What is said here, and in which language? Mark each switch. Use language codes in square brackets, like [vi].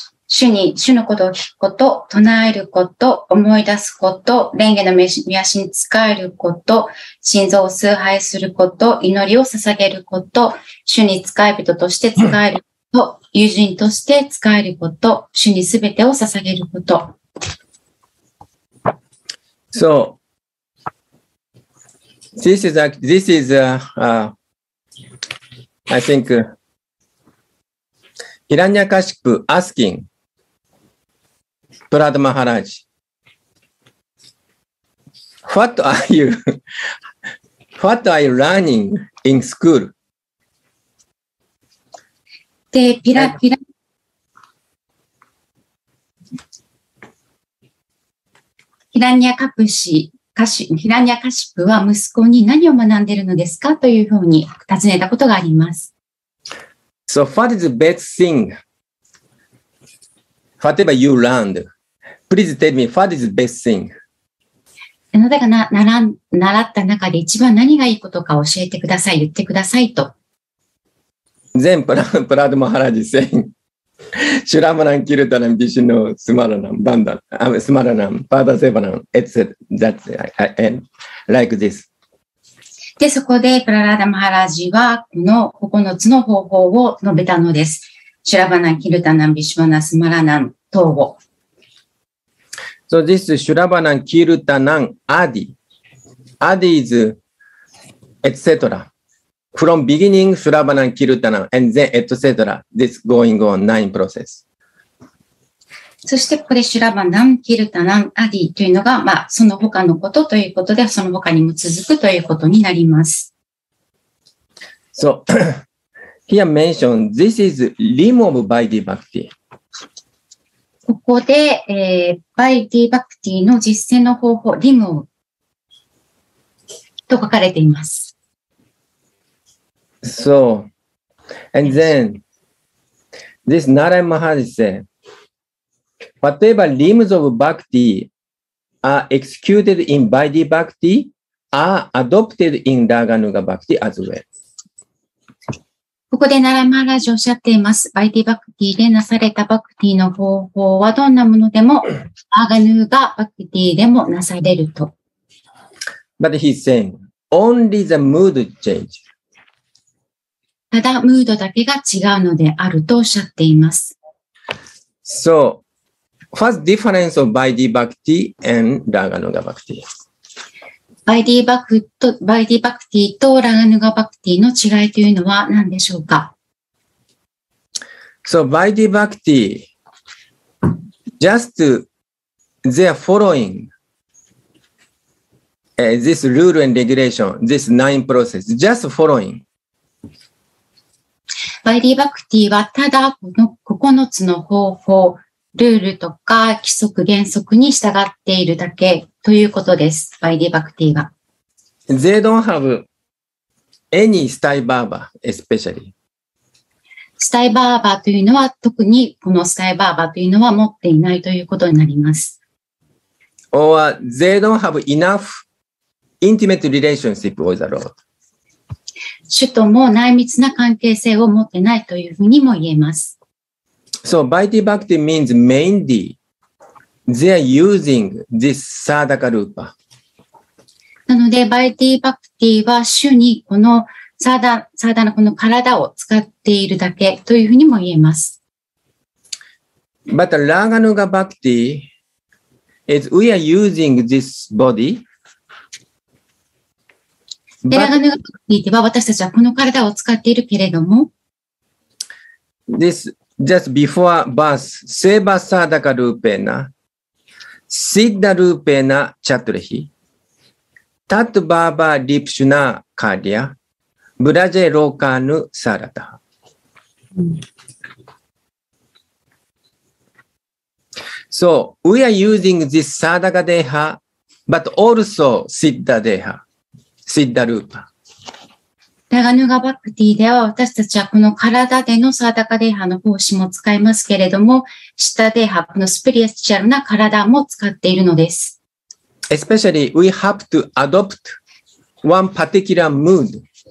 [ja] 主に主のことを聞くこと、唱えること、思い出すこと、蓮華の御足に仕えること、心臓を崇拝すること、祈りを捧げること、主に仕え人として仕えること、友人として仕えること、主にすべてを捧げること。 [en] So, I think, Hiranyakaship asking Prahlad Maharaj, what are you learning in school? [ja] で、ピラピラ。ヒラニアカプシ、ヒラニアカシプは息子に何を学んでいるのですかというふうに尋ねたことがあります。 [en] So, what is the best thing? Whatever you learned, please tell me, what is the best thing? [ja] あなたが習った中で一番何がいいことか教えてください、言ってくださいと。 [en] Then, Prahlad Maharaj is saying, [sa] シュラマラン、キルタラン、ビシノ、スマラナン、バンダ、スマラナン、パーダセバラン、 [en] エッセ、ザッツ、like this。 [ja] で、そこで、プララダマハラジは、この9つの方法を述べたのです。シュラマラン、キルタラン、ビシノ、スマラナン、等を。 [en] So this is シュラマラン、キルタラン、アディ。アディ is, et cetera. From beginning, シュラバナン、キルタナン、and then, et cetera. This going on nine process. [ja] そして、ここでシュラバナン、キルタナン、アディというのが、まあ、その他のことということで、その他にも続くということになります。 [en] So, here mentioned, this is remove by the bhakti. [ja] ここで、 [en] by the bhakti [ja] の実践の方法、 [en] remove [ja] と書かれています。 [en] So, and then, this Narayan Maharaj said, whatever limbs of bhakti are executed in Vaidhi bhakti are adopted in Raganuga bhakti as well. [ja] ここで Narayan Maharaj おっしゃっています。Vaidhi bhakti でなされたバクティの方法はどんなものでも、Raganuga bhakti でもなされると。 [en] But he's saying, only the mood change. [ja] ただムードだけが違うのであるとおっしゃっています。 [en] So, what's the difference of Vaidhi Bhakti and Raganuga Bhakti? [ja] Vaidhi Bhakti と Raganuga Bhakti の違いというのは何でしょうか? [en] So, Vaidhi Bhakti, just they are following、this rule and regulation, this nine process, just following. [ja] バイディバクティはただこの9つの方法、ルールとか規則原則に従っているだけということです。バイディバクティは。 [en] They don't have any スタイバーバー、especially。 [ja] スタイバーバーというのは特にこのスタイバーバーというのは持っていないということになります。 [en] Or they don't have enough intimate relationship with the Lord. [ja] 主とも内密な関係性を持ってないというふうにも言えます。 [en] So Bhakti Bhakti means mainly they are using this Sadaka Rupa. [ja] なのでバイティバクティは主にこのサーダサーダのこの体を使っているだけというふうにも言えます。 [en] But Raganuga Bhakti is we are using this body. [ja] でラガヌガバクティでは私たちはこの体を使っているけれども、 [en] This just before birth, [sa] seva sadaka rupena, siddha rupena chaturahi, tat bhava lipshuna karya, braja lokanu sarata. [en] So we are using this sadaka deha, but also siddha deha. [ja] シッダルーパ。ラガヌガバクティでは私たちはこの体でのサーダカデーハの奉仕も使いますけれども、シッダデーハ、このスピリチュアルな体も使っているのです。 [en] Especially, we have to adopt one particular mood.